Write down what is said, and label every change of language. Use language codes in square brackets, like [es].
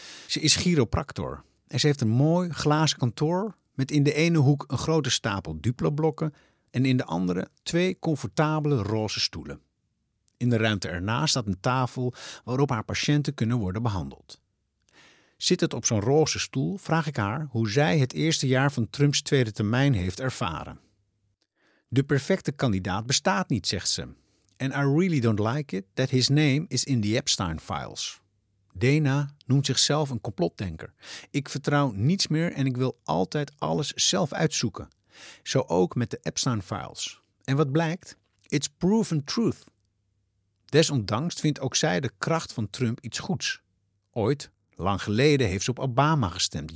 [nl] Ze is chiropractor en ze heeft een mooi glazen kantoor met in de ene hoek een grote stapel Duplo-blokken en in de andere 2 comfortabele roze stoelen. In de ruimte ernaast staat een tafel waarop haar patiënten kunnen worden behandeld. Zittend op zo'n roze stoel vraag ik haar hoe zij het eerste jaar van Trumps tweede termijn heeft ervaren. De perfecte kandidaat bestaat niet, zegt ze. [en] And I really don't like it that his name is in the Epstein files. [nl] Dana noemt zichzelf een complotdenker. Ik vertrouw niets meer en ik wil altijd alles zelf uitzoeken. Zo ook met de Epstein files. En wat blijkt? [en] It's proven truth. [nl] Desondanks vindt ook zij de kracht van Trump iets goeds. Ooit, lang geleden, heeft ze op Obama gestemd.